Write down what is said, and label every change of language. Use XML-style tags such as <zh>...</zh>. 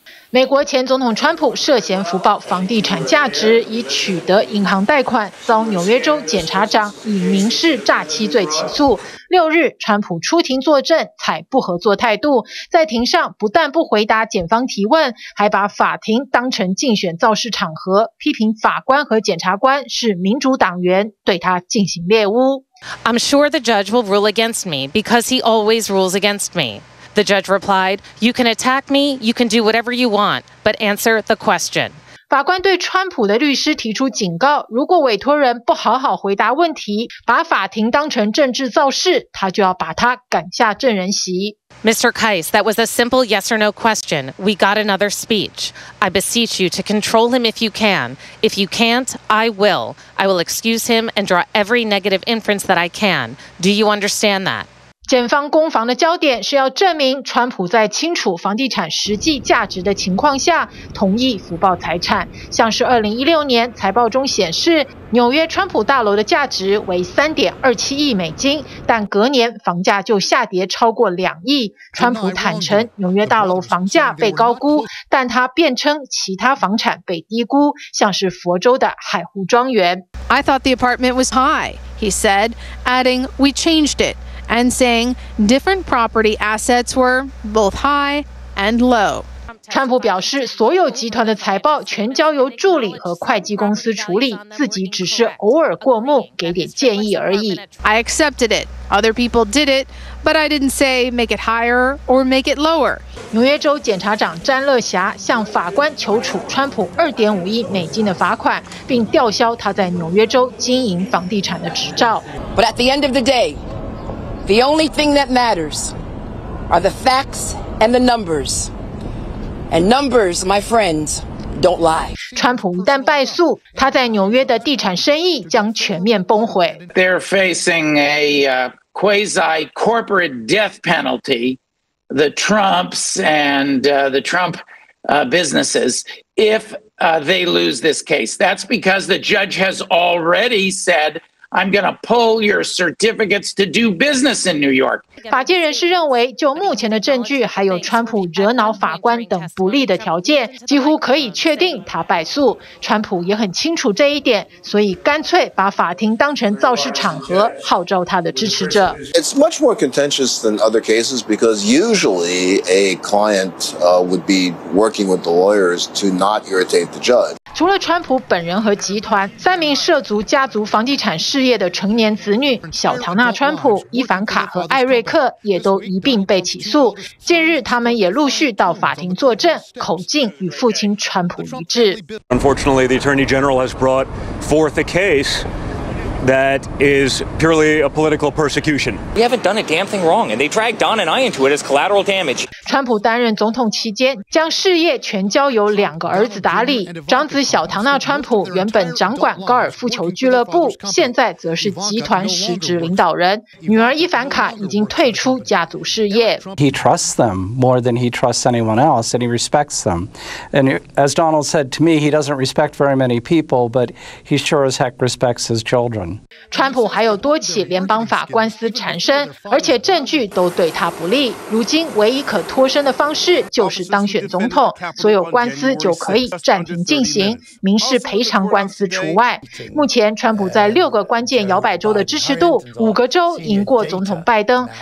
<zh>美国前总统川普涉嫌福报房地产价值以取得银行贷款，遭纽约州检察长以民事诈欺罪起诉。六日，川普出庭作证，采不合作态度，在庭上不但不回答检方提问，还把法庭当成竞选造势场合，批评法官和检察官是民主党员，对他进行猎污。</zh> <en>I'm sure the judge will rule against me because he always rules against me. The judge replied, "You can attack me, you can do whatever you want, but answer the question."</en> <zh>法官对川普的律师提出警告，如果委托人不好好回答问题，把法庭当成政治造势，他就要把他赶下证人席。</zh> <en>Mr. Keiss, that was a simple yes or no question. We got another speech. I beseech you to control him if you can. If you can't, I will. I will excuse him and draw every negative inference that I can. Do you understand that?</en> <zh>检方攻防的焦点是要证明川普在清楚房地产实际价值的情况下同意福报财产，像是2016年财报中显示纽约川普大楼的价值为 3.27 亿美金，但隔年房价就下跌超过2亿。川普坦承纽约大楼房价被高估，但他辩称其他房产被低估，像是佛州的海湖庄园。</zh> <en>I thought the apartment was high, he said, adding, we changed it. And saying different property assets were both high and low.</en> <zh>川普表示，所有集团的财报全交由助理和会计公司处理，自己只是偶尔过目，给点建议而已。</zh> <en>I accepted it. Other people did it, but I didn't say make it higher or make it lower.</en> <zh>纽约州检察长詹乐霞向法官求处川普2.5亿美金的罚款，并吊销他在纽约州经营房地产的执照。</zh> <en>But at the end of the day. The only thing that matters are the facts and the numbers. And numbers, my friends, don't lie.</en> <zh>川普一旦败诉，他在纽约的地产生意将全面崩毁。</zh> <en>They're facing a quasi-corporate death penalty, the Trumps and the Trump businesses, if they lose this case. That's because the judge has already said,I'm going to pull your certificates to do business in New York.</en> <zh>法界人士认为，就目前的证据，还有川普惹恼法官等不利的条件，几乎可以确定他败诉。川普也很清楚这一点，所以干脆把法庭当成造势场合，号召他的支持者。</zh> <en>It's much more contentious than other cases because usually a client would be working with the lawyers to not irritate the judge.</en> <zh>除了川普本人和集团，三名涉足家族房地产事业的成年子女小唐纳·川普、伊凡卡和艾瑞克也都一并被起诉。近日，他们也陆续到法庭作证，口径与父亲川普一致。</zh> <en>Unfortunately, the Attorney General has brought forth a case that is purely a political persecution. We haven't done a damn thing wrong, and they dragged Don and I into it as collateral damage.</en> <zh>川普担任总统期间，将事业全交由两个儿子打理。长子小唐纳·川普原本掌管高尔夫球俱乐部，现在则是集团实质领导人。女儿伊凡卡已经退出家族事业。</zh> <en>He trusts them more than he trusts anyone else, and he respects them. And as Donald said to me, he doesn't respect very many people, but he sure as heck respects his children.</en> <zh>川普还有多起联邦法官司缠身，而且证据都对他不利。如今唯一可脱身的方式就是当选总统，所有官司就可以暂停进行，民事赔偿官司除外。目前，川普在6个关键摇摆州的支持度，5个州赢过总统拜登。</zh>